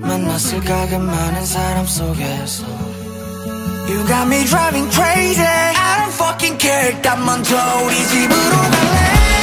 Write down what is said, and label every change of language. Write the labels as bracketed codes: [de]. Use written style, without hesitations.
[ko] 만났을까 그 많은 사람 속에서. [en] You got me driving crazy. I don't fucking care. [ko] 난 먼저 우리 집으로 갈래.